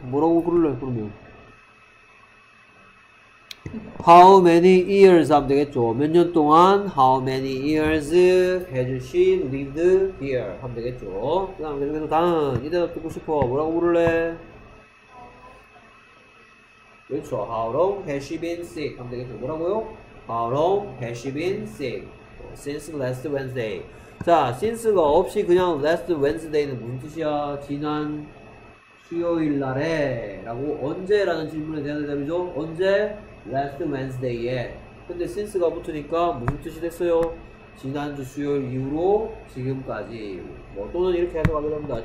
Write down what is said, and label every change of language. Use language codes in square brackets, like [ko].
[ko] 뭐라고 그럴래, 그러면? [en] How many years [ko] 하면 되겠죠. 몇 년 동안 [en] How many years has she lived here [ko] 하면 되겠죠. 그 다음 계속해서 다음 이 대답 듣고 싶어. 뭐라고 부를래? 그렇죠. [en] How long has she been sick [ko] 하면 되겠죠. 뭐라고요? [en] How long has she been sick since last Wednesday. [ko] 자, since가 없이 그냥 last Wednesday는 무슨 뜻이야? 지난 수요일날에 라고 언제? 라는 질문에 대한 대답이죠. 언제? Last Wednesday에. 근데 since가 붙으니까 무슨 뜻이 됐어요? 지난주 수요일 이후로 지금까지. 뭐 또는 이렇게 해석하게 됩니다.